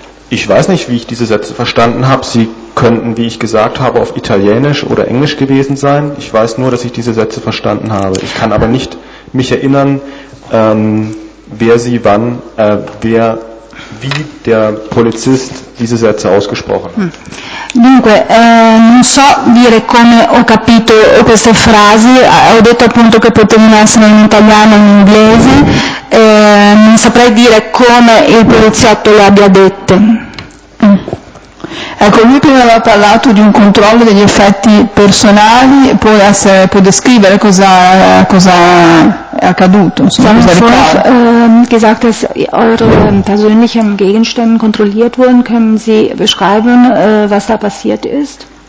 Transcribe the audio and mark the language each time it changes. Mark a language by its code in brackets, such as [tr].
[de] Ich weiß nicht, wie ich diese Sätze verstanden habe. Sie könnten, wie ich gesagt habe, auf Italienisch oder Englisch gewesen sein. Ich weiß nur, dass ich diese Sätze verstanden habe. Ich kann aber nicht mich erinnern, wie der Polizist diese Sätze ausgesprochen hat. [it] Dunque, non so dire come ho capito queste frasi, ho detto appunto che potevano essere in italiano o in inglese, non saprei dire come il poliziotto le abbia dette. Ecco, lui prima aveva parlato di un controllo degli effetti personali, poi può descrivere cosa è accaduto, insomma, cosa ricorda. [de] Gesagt, dass eure persönlichen Gegenstände kontrolliert wurden. Können Sie beschreiben, was da passiert ist?